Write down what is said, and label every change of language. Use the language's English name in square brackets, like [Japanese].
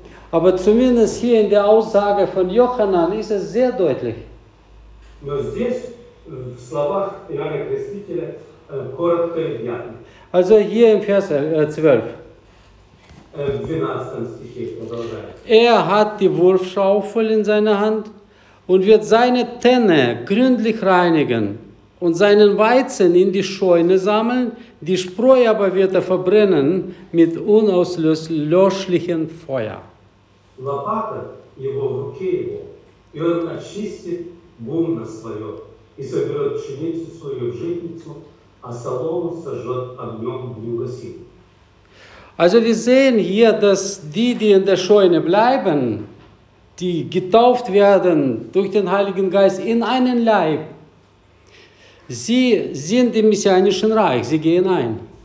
[German] Aber zumindest hier in der Aussage von Johannes ist es sehr deutlich. [Russian] Но здесь, в словах Иоанна Крестителя, коротко и внятно. [German] Also hier im Vers 12. [Russian] В 12 стихе продолжает. [German] Er hat die Wurfschaufel in seiner Hand und wird seine Tenne gründlich reinigen und seinen Weizen in die Scheune sammeln, die Spreu aber wird er verbrennen mit unauslöschlichem Feuer. [Russian] Лопата его в руке его, и он очистит гумно свое, и соберет пшеницу свою в житницу, а солому сожжет огнем неугасим. [German] Also wir sehen hier, dass die, die in der Scheune bleiben, die getauft werden durch den Heiligen Geist in einen Leib, sie sind im messianischen Reich, sie gehen ein.